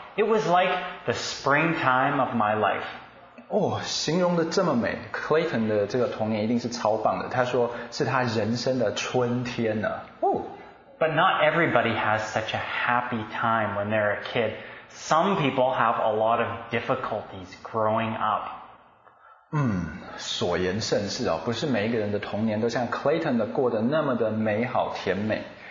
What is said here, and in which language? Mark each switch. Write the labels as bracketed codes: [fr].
[en] It was like the springtime of my life. [zh] 哦，形容得这么美 ，Clayton 的这个童年一定是超棒的。他说是他人生的春天呢。哦 [en] ，But not everybody has such a happy time when they're a kid. Some people have a lot of difficulties growing up. [zh] 所言甚是哦，不是每一个人的童年都像 Clayton 的过得那么的美好甜美。